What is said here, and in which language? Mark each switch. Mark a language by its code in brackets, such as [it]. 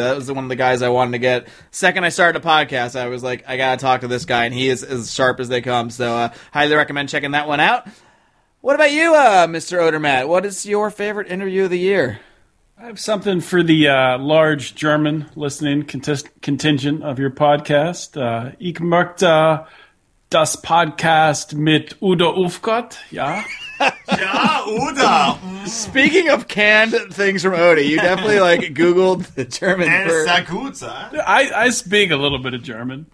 [en] That was one of the guys I wanted to get. Second I started a podcast, I was like, I got to talk to this guy and he is as sharp as they come. So highly recommend checking that one out. What about you, Mr. Odermatt? What is your favorite interview of the year? I have something for the large German listening contingent of your podcast. [de] Ich möchte das Podcast mit Udo Ufgott, ja? Ja, Udo! [en] Speaking of canned things from Odie, you definitely like Googled the German [de] word. Es ist gut, huh? [en] I speak a little bit of German.